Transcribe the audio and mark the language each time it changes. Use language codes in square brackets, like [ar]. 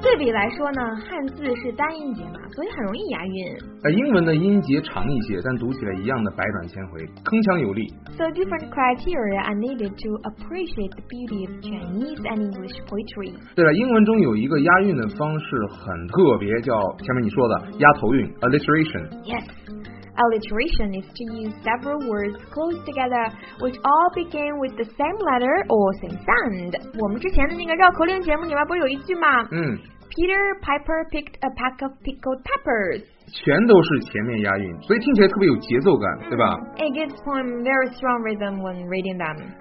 [zh] 来说呢，汉字是单音节嘛，所以很容易押韵。英文的音节长一些，但读起来一样的百转千回，铿锵有力。 [en] So different criteria are needed to appreciate the beauty of Chinese and English poetry. [zh] 对了，英文中有一个押韵的方式很特别，叫前面你说的押头韵 alliteration. [en] Yes, alliteration is to use several words close together which all begin with the same letter or same sound. [zh] 我们之前的那个绕口令节目里面不是有一句吗？ [en] Peter Piper picked a pack of pickled peppers. [zh] 全都是前面押韵，所以听起来特别有节奏感，对吧？ [en] It gives poem very strong rhythm when reading them.